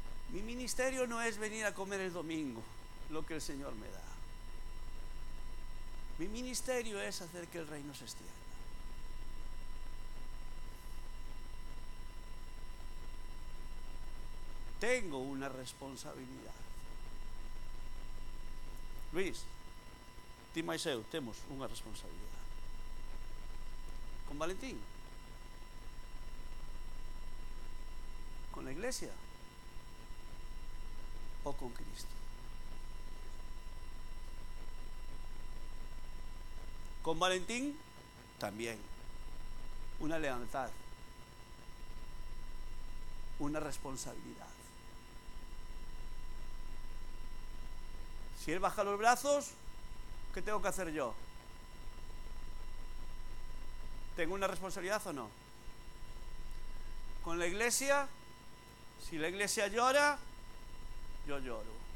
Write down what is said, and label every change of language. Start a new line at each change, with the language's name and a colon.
Spanish: Mi ministerio no es venir a comer el domingo lo que el Señor me da. Mi ministerio es hacer que el reino se extienda. Tengo una responsabilidad.
Galician: Luis, ti máis eu temos unha responsabilidad con Valentín, con a iglesia ou con Cristo. Con Valentín tamén unha lealtad, unha responsabilidad.
Spanish: Si él baja los brazos, ¿qué tengo que hacer yo? ¿Tengo una responsabilidad o no? Con la iglesia, si la iglesia llora, yo lloro.